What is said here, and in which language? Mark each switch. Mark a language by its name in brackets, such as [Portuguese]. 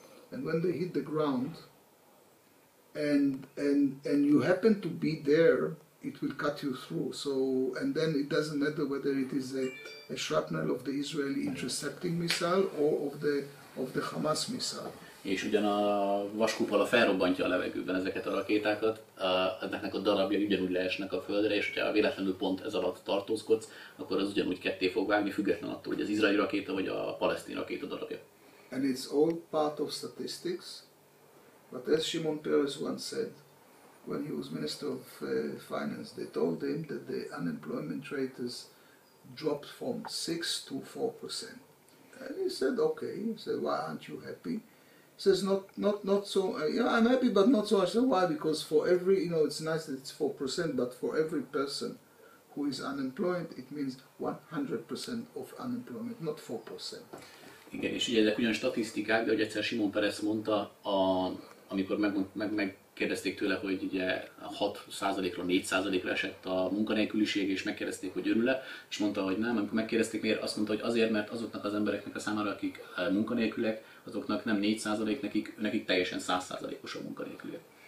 [English] And when they hit the ground, and you happen to be there, it will cut you through. So, and then it doesn't matter whether it is a shrapnel of the Israeli intercepting missile or of the Hamas missile. [Hungarian] És ugyan a vaskupola felrobbantja a levegőben ezeket a rakétákat, ezeknek a darabja ugyanúgy leesnek a földre, és hogyha véletlenül pont ez alatt tartózkodsz, akkor az ugyanúgy ketté fog vágni, függetlenül attól, hogy az izraeli rakéta vagy a palesztin rakéta darabja. [English] And it's all part of statistics, but as Shimon Peres once said, when he was Minister of Finance, they told him that the unemployment rate has dropped from 6% to 4%. And he said, okay, he said, why aren't you happy? He says, not so, yeah, I'm happy, but not so much. I said, why? Because for every, you know, it's nice that it's 4%, but for every person who is unemployed, it means 100% of unemployment, not 4%. [Hungarian] Igen, és ugye ezek ugyan statisztikák, de hogy egyszer Simon Peres mondta, amikor megkérdezték tőle, hogy ugye 6%-ra 4%-ra esett a munkanélküliség, és megkérdezték, hogy örül-e, és mondta, hogy nem, amikor megkérdezték miért, azt mondta, hogy azért, mert azoknak az embereknek a számára, akik munkanélkülek, azoknak nem 4%, nekik teljesen 100%-os a munkanélküliség.